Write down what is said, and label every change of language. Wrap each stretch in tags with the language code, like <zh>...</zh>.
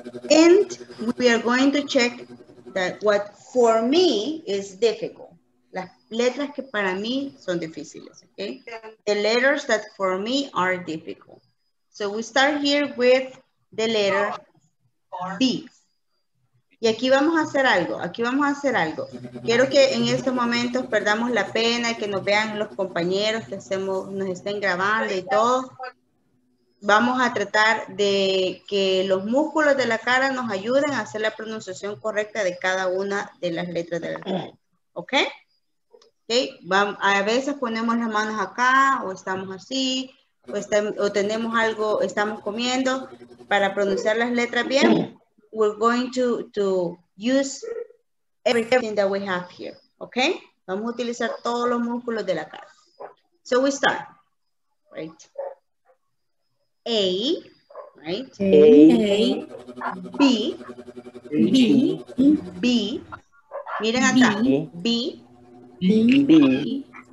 <en>And we are going to check that what for me is difficult.</en> <es>Las letras que para mí son difíciles, okay?</es> <en>The letters that for me are difficult. So we start here with the letter B.</en> <es>Y aquí vamos a hacer algo, aquí vamos a hacer algo. Quiero que en estos momentos perdamos la pena, que nos vean los compañeros, que hacemos, nos estén grabando y todo. Vamos a tratar de que los músculos de la cara nos ayuden a hacer la pronunciación correcta de cada una de las letras del alfabeto. ¿Ok? Okay. A veces ponemos las manos acá o estamos así. O tenemos algo, estamos comiendo para pronunciar las letras bien.</es> <en>We're going to use everything that we have here, okay?</en> <es>Vamos a utilizar todos los músculos de la cara.</es> <en>So we start, right? A, right? A. B. B.</en> <es>B. Miren acá. B.</es> <en>B.</en>